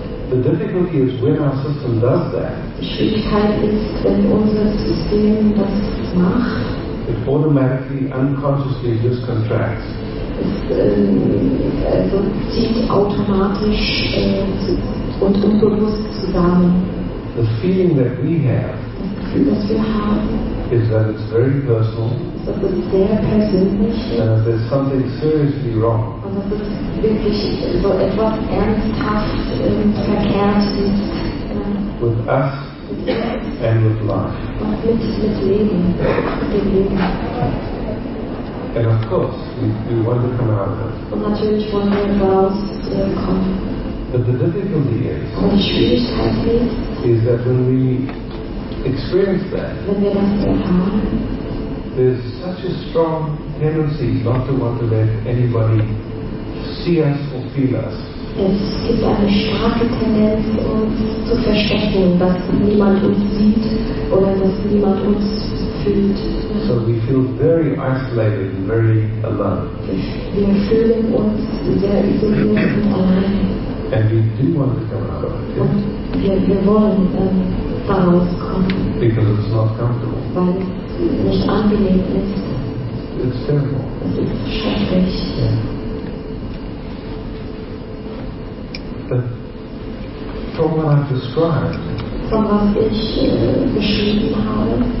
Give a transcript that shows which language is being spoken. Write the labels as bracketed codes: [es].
[en] The difficulty is when our system does that. [de] Schwierigkeit ist, wenn unser System das macht. [en] It automatically, unconsciously, just contracts. [de] Also zieht automatisch und unbewusst zusammen. [en] The feeling that we have, [de] das Gefühl, das wir haben, [en] is that it's very personal. [de] Das ist sehr persönlich. [en] And there's something seriously wrong. [de] Und das ist wirklich so etwas ernsthaft verkehrt ist. [en] With us and with life. [de] Und mit Leben. [en] And of course, we want to come out of it. [de] Und natürlich wollen wir daraus kommen. [en] But the difficulty is. [de] Und die Schwierigkeit ist. [en] Is that when we experience that. [de] Wenn wir das erfahren. [en] There's such a strong tendency not to want to let anybody see us or feel us. [de] Es gibt eine starke Tendenz, uns zu verstecken, dass niemand uns sieht oder dass niemand uns fühlt. [en] So we feel very isolated and very alone. [de] Wir fühlen uns sehr isoliert und allein. [en] And we do want to come out of it. [de] Wir wollen daraus kommen. [en] Because it's not comfortable. [de] Weil nicht angenehm ist. [en] It's terrible. [de] Es ist schrecklich. [en] But from what I've described, [de] von was ich beschrieben habe,